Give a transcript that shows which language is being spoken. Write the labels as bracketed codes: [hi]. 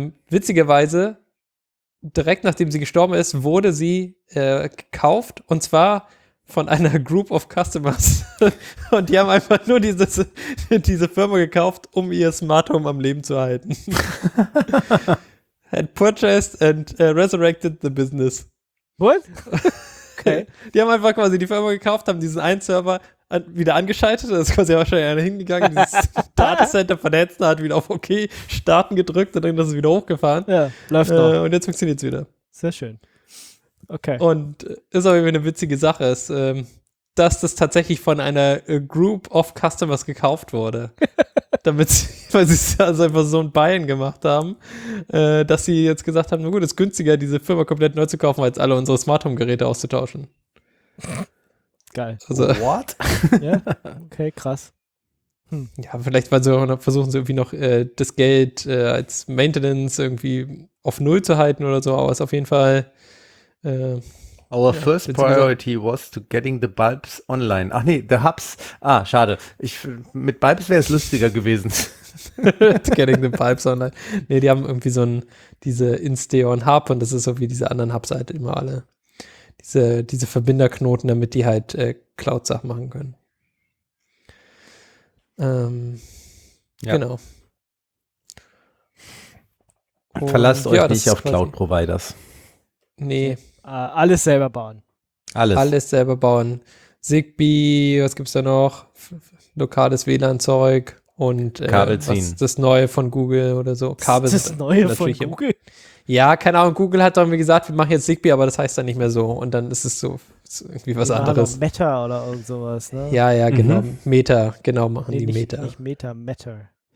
[de] Witzigerweise, direkt nachdem sie gestorben ist, wurde sie gekauft, und zwar von einer [en] Group of Customers. [de] Und die haben einfach nur diese Firma gekauft, um ihr Smart Home am Leben zu halten. [en] Had purchased and resurrected the business. What? Okay. [de] Die haben einfach quasi die Firma gekauft, haben diesen einen Server wieder angeschaltet, da ist quasi wahrscheinlich einer hingegangen, dieses Datacenter vernetzt, hat wieder auf OK starten gedrückt und dann ist es wieder hochgefahren. Ja, läuft noch. Und jetzt funktioniert es wieder. Sehr schön. Okay. Und ist aber eine witzige Sache, ist, dass das tatsächlich von einer [en] Group of Customers [de] gekauft wurde, damit sie, weil sie es also einfach so ein Buy-in gemacht haben, dass sie jetzt gesagt haben, na gut, ist günstiger, diese Firma komplett neu zu kaufen, als alle unsere Smart-Home-Geräte auszutauschen. Geil. Also, [en] what? [de] Ja, okay, krass. Ja, vielleicht weil sie noch versuchen sie irgendwie noch das Geld als Maintenance irgendwie auf Null zu halten oder so, aber es ist auf jeden Fall [en] Our first priority was to getting the bulbs online. [de] Ach nee, [en] the hubs. [de] Ah, schade. Mit bulbs wäre es lustiger gewesen. [en] Getting the bulbs online. [de] Nee, die haben irgendwie so diese InStation Hub und das ist so wie diese anderen Hubs halt immer alle. Diese Verbinderknoten, damit die halt Cloud-Sachen machen können. Ja. Genau. Verlasst euch nicht auf Cloud-Providers. Nee. Alles selber bauen. Alles selber bauen. Zigbee, was gibt's da noch? Lokales WLAN-Zeug und Kabel ziehen. Das Neue von Google oder so. Das Neue von Google? Ja, keine Ahnung, Google hat doch mir gesagt, wir machen jetzt Zigbee, aber das heißt dann nicht mehr so. Und dann ist es so ist irgendwie was anderes. Also Meta oder irgend sowas, ne? Ja, genau. Meta, genau, machen nee, die nicht, Meta. Nicht Meta, Matter.